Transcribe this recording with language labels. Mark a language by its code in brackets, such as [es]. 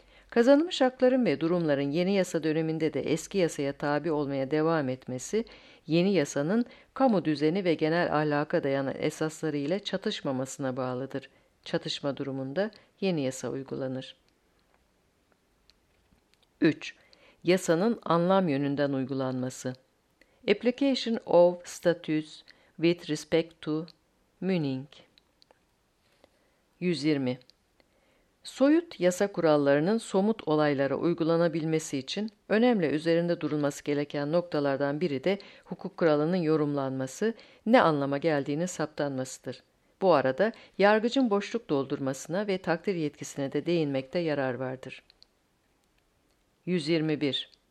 [tr] Kazanılmış hakların ve durumların yeni yasa döneminde de eski yasaya tabi olmaya devam etmesi, yeni yasanın kamu düzeni ve genel ahlaka dayanan esasları ile çatışmamasına bağlıdır. Çatışma durumunda yeni yasa uygulanır. 3. Yasanın anlam yönünden uygulanması. [en] Application of statutes with respect to meaning. [tr] 120. Soyut yasa kurallarının somut olaylara uygulanabilmesi için önemli üzerinde durulması gereken noktalardan biri de hukuk kuralının yorumlanması ne anlama geldiğini saptanmasıdır. Bu arada yargıcın boşluk doldurmasına ve takdir yetkisine de değinmekte yarar vardır. 121.